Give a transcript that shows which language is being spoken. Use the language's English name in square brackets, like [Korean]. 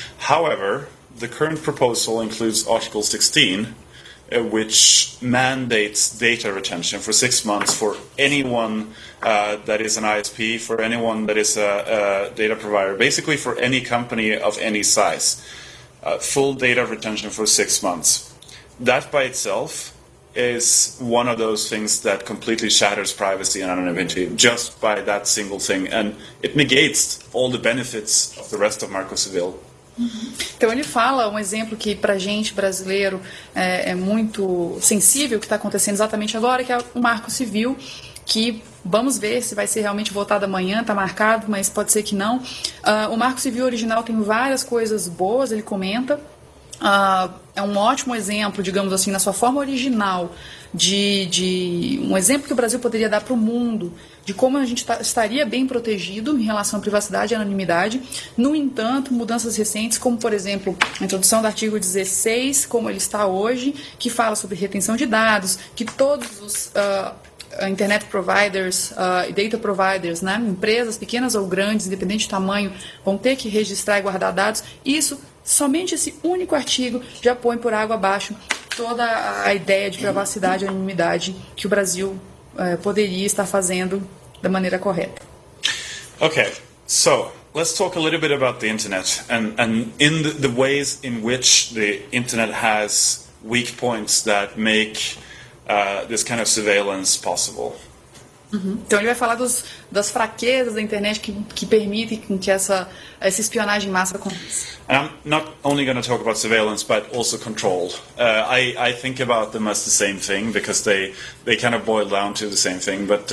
[English] However, the current proposal includes Article 16, which mandates data retention for 6 months for anyone that is an ISP, for anyone that is a data provider, basically for any company of any size. Full data retention for 6 months. That by itself is one of those things that completely shatters privacy and anonymity just by that single thing, and it negates all the benefits of the rest of Marco Civil. [Portuguese] Então ele fala um exemplo que para gente brasileiro é muito sensível, que está acontecendo exatamente agora, que é o Marco Civil, que vamos ver se vai ser realmente votado amanhã, está marcado, mas pode ser que não. O Marco Civil original tem várias coisas boas, ele comenta. É um ótimo exemplo, digamos assim, na sua forma original, de um exemplo que o Brasil poderia dar para o mundo, de como a gente estaria bem protegido em relação à privacidade e anonimidade. No entanto, mudanças recentes, como por exemplo, a introdução do artigo 16, como ele está hoje, que fala sobre retenção de dados, que todos os [English] internet providers, data providers, [Portuguese] né? Empresas pequenas ou grandes, independente do tamanho, vão ter que registrar e guardar dados. Isso, somente esse único artigo, já põe por água abaixo toda a ideia de privacidade e anonimidade que o Brasil poderia estar fazendo da maneira correta. [English] Ok, so let's talk a little bit about the internet and in the ways in which the internet has weak points that make this kind of surveillance possible. Uhum. [Portuguese] Então ele vai falar das fraquezas da internet que permitem que essa espionagem massa aconteça. [English] And I'm not only going to talk about surveillance, but also control. I think about them as the same thing because they kind of boil down to the same thing.